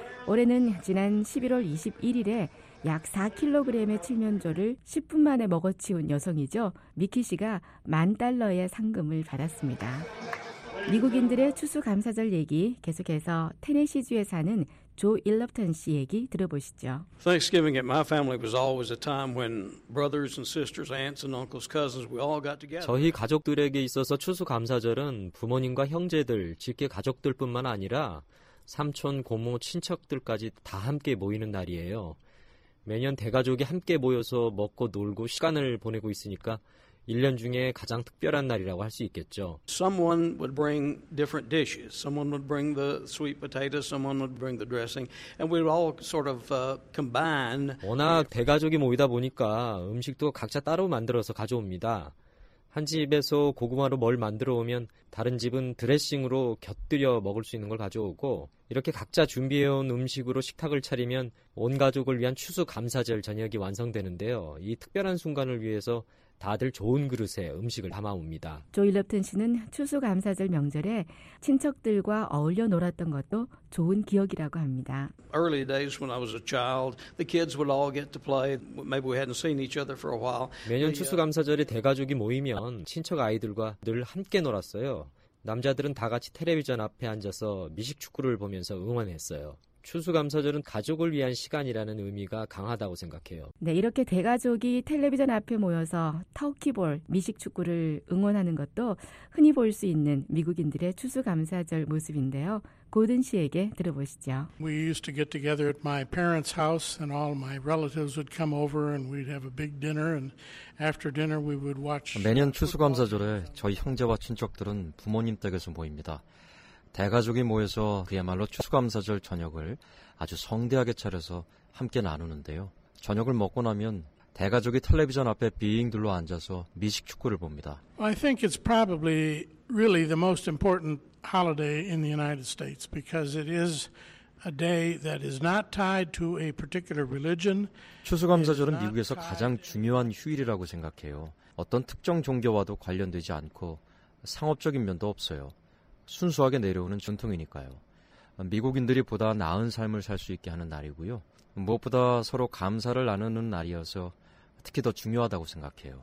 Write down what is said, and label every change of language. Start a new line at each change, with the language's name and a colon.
Korean: 올해는 지난 11월 21일에 약 4kg의 칠면조를 10분 만에 먹어치운 여성이죠. 미키 씨가 만 달러의 상금을 받았습니다. 미국인들의 추수감사절 얘기 계속해서 테네시주에 사는 조 일럽턴 씨 얘기 들어보시죠.
English: Thanksgiving at my family was always a time when brothers and sisters, aunts and uncles, cousins, we all got together.
Korean: 저희 가족들에게 있어서 추수감사절은 부모님과 형제들, 직계 가족들뿐만 아니라 삼촌, 고모, 친척들까지 다 함께 모이는 날이에요. 매년 대가족이 함께 모여서 먹고 놀고 시간을 보내고 있으니까 1년 중에 가장 특별한 날이라고 할 수 있겠죠.
English: Someone would bring different dishes. Someone would bring the sweet potatoes. Someone would bring the dressing. And we'd all sort of combine.
Korean: 워낙 대가족이 모이다 보니까 음식도 각자 따로 만들어서 가져옵니다. 한 집에서 고구마로 뭘 만들어 오면 다른 집은 드레싱으로 곁들여 먹을 수 있는 걸 가져오고 이렇게 각자 준비해온 음식으로 식탁을 차리면 온 가족을 위한 추수감사절 저녁이 완성되는데요. 이 특별한 순간을 위해서 다들 좋은 그릇에 음식을 담아옵니다. 조 일럽튼 씨는 추수감사절 명절에 친척들과 어울려 놀았던 것도 좋은 기억이라고 합니다.
English: Early days when I was a child, the kids would all get to play. Maybe we hadn't seen each other for a while.
Korean: 매년 추수감사절에 대가족이 모이면 친척 아이들과 늘 함께 놀았어요. 남자들은 다 같이 텔레비전 앞에 앉아서 미식축구를 보면서 응원했어요. 추수감사절은 가족을 위한 시간이라는 의미가 강하다고 생각해요. 네, 이렇게 대가족이 텔레비전 앞에 모여서 터키볼, 미식축구를 응원하는 것도 흔히 볼 수 있는 미국인들의 추수감사절 모습인데요. 고든 씨에게 들어보시죠.
English: We used to get together at my parents' house and all my relatives would come over and we'd have a big dinner and after dinner we would watch.
Korean: 매년 추수감사절에 저희 형제와 친척들은 부모님 댁에서 모입니다. 대가족이 모여서 그야말로 추수감사절 저녁을 아주 성대하게 차려서 함께 나누는데요. 저녁을 먹고 나면 대가족이 텔레비전 앞에 빙 둘러 앉아서 미식축구를 봅니다.
English: I think it's probably really the most important holiday in the United States because it is a day that is not tied to a particular religion.
Korean: 추수감사절은 미국에서 가장 중요한 휴일이라고 생각해요. 어떤 특정 종교와도 관련되지 않고 상업적인 면도 없어요. 순수하게 내려오는 전통이니까요. 미국인들이 보다 나은 삶을 살 수 있게 하는 날이고요. 무엇보다 서로 감사를 나누는 날이어서 특히 더 중요하다고 생각해요.